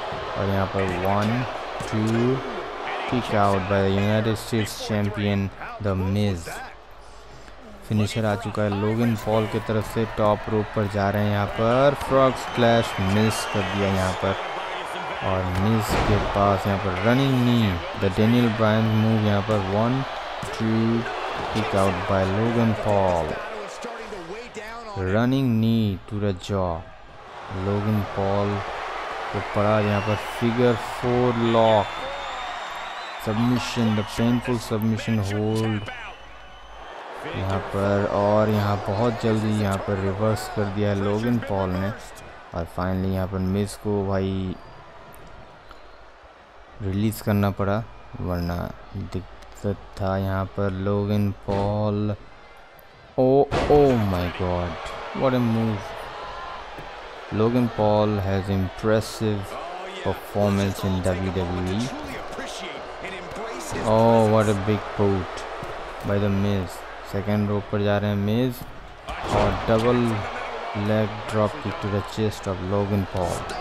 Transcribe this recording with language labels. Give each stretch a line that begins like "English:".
Hindi: और यहाँ पर
English: 1-2 kick out by the United States champion The Miz.
Hindi: Finisher आ चुका है लोगन पॉल की तरफ से, टॉप रोप पर जा रहे हैं, यहाँ पर फ्रॉग स्प्लैश मिस कर दिया यहाँ पर, और मिस के पास यहाँ पर running knee, the Daniel Bryan move यहाँ पर,
English: 1-2 kick out by
Hindi: Logan Paul,
English: running knee to the jaw,
Hindi: Logan Paul को पड़ा यहाँ पर figure four lock,
English: submission the painful submission hold
Hindi: यहाँ पर, और यहाँ बहुत जल्दी यहाँ पर रिवर्स कर दिया है लोगन पॉल ने, और फाइनली यहाँ पर मिस को भाई रिलीज करना पड़ा, वरना दिक्कत था यहाँ पर Logan Paul.
English: Oh my god, what a move. Logan Paul has impressive performance in WWE. Oh, what a big boot by the Miz. Second rope
Hindi: par ja rahe hain
English: Miz. Aur double leg drop kick to the chest of Logan Paul.